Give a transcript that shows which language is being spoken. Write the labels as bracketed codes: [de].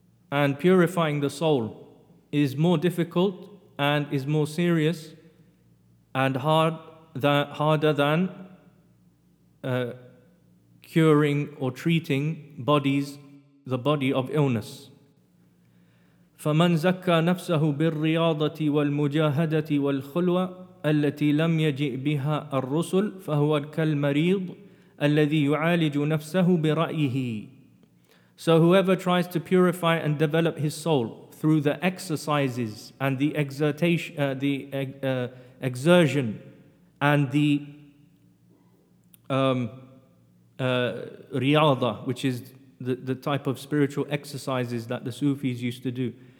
[en] And purifying the soul is more difficult and is more serious and harder than curing or treating bodies, the body of illness. [ar] فَمَنْ زَكَّى نَفْسَهُ بِالرِّيَاضَةِ وَالْمُجَاهَدَةِ وَالْخُلْوَةِ التي لم يجئ بها الرسل فهو كالمريض الذي يعالج نفسه برأيه. [en] So whoever tries to purify and develop his soul through the exercises and the exertion and the riyada, which is the type of spiritual exercises that the Sufis used to do,